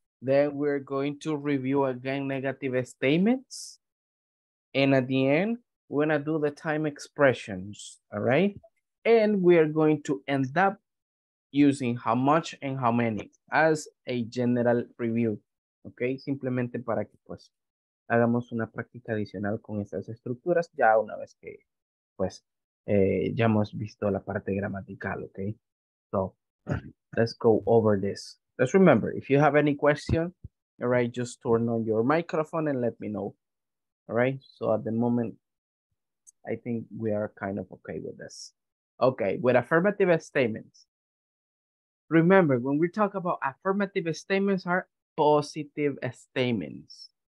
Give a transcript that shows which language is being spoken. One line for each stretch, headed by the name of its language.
English: Then we're going to review again negative statements. And at the end, we're gonna do the time expressions, all right? And we are going to end up using how much and how many as a general review, okay?
Spanish: Simplemente para que pues hagamos una práctica adicional con estas estructuras ya una vez que, pues, ya hemos visto la parte gramatical, okay?
English: So, let's go over this. Just remember, if you have any question, all right, just turn on your microphone and let me know, all right? So, at the moment, I think we are kind of okay with this. Okay, with affirmative statements. Remember, when we talk about affirmative statements are positive statements.